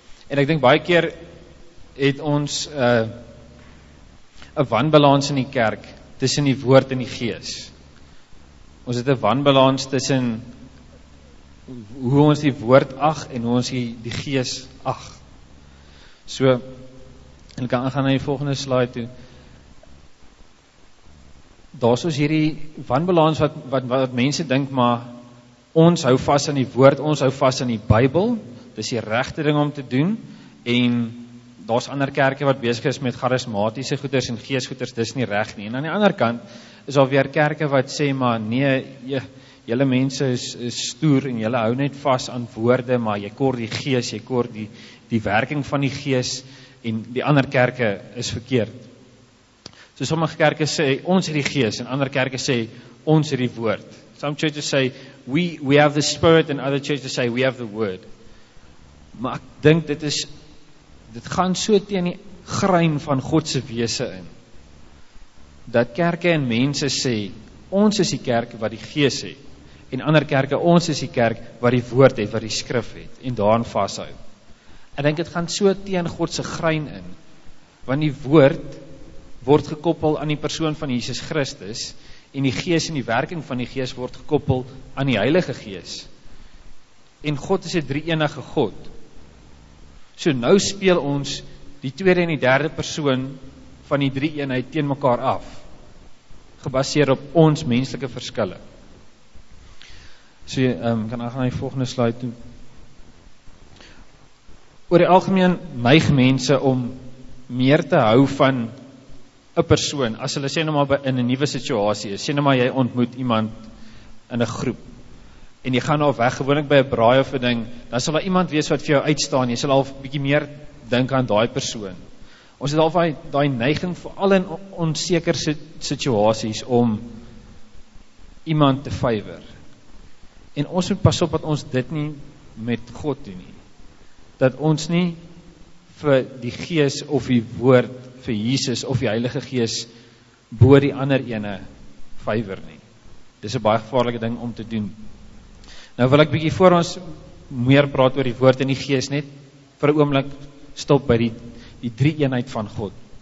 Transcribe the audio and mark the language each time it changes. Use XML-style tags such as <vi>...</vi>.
<af>En ek dink baie keer het ons 'n wanbalans in die kerk tussen die woord en die gees. Ons het 'n wanbalans tussen hoe ons die woord ag en hoe ons die gees ag. So, ek kan aangaan na die volgende slide toe. Daar is ons hierdie wanbalans wat mense dink, maar ons hou vas aan die woord, ons hou vas aan die Bybel, dis die regte ding om te doen, en daar's ander kerke wat besig is met charismatiese goeders en geesgoeders, dis nie reg nie. En aan die ander kant is daar weer kerke wat sê, maar nee, julle mense is stoer en julle hou net vas aan woorde, maar jy kort die gees, jy kort die werking van die gees en die ander kerke is verkeerd. So sommige kerke sê, ons het die gees en ander kerke sê, ons het die woord.</af> <en>Some churches say, we have the spirit and other churches say, we have the word.</en> <af>Maar ek dink dit gaan so teen die grein van God se wese in. Dat kerke en mense sê, ons is die kerk wat die gees het. En ander kerke, ons is die kerk wat die woord het, wat die skrif het. En daarin vashou. Ek dink dit gaan so teen God se grein in. Want die woord word gekoppel aan die persoon van Jesus Christus. En die gees en die werking van die gees word gekoppel aan die Heilige Gees. En God is 'n drie-enige God. So nou speel ons die tweede en die derde persoon van die drie eenheid teen mekaar af, gebaseer op ons menslike verskille. So, kan ek gaan na die volgende slide toe. Oor die algemeen neig mense om meer te hou van 'n persoon, as hulle sê nou maar in 'n nuwe situasie is, sê nou maar jy ontmoet iemand in 'n groep, en jy gaan al weg, gewoonlik by 'n braai of 'n ding, dan sal daar iemand wees wat vir jou uitstaan, jy sal al bietjie meer dink aan daai persoon. Ons het al daai neiging, vooral in onseker situasies, om iemand te favor. En ons moet pas op dat ons dit nie met God doen nie. Dat ons nie vir die gees of die woord, vir Jesus of die Heilige Gees, bo die ander ene favor nie. Dis 'n baie gevaarlike ding om te doen. Nou wil ek bietjie voor ons meer praat oor die woord en die gees, net vir 'n oomblik stop by die drie eenheid van God.</af>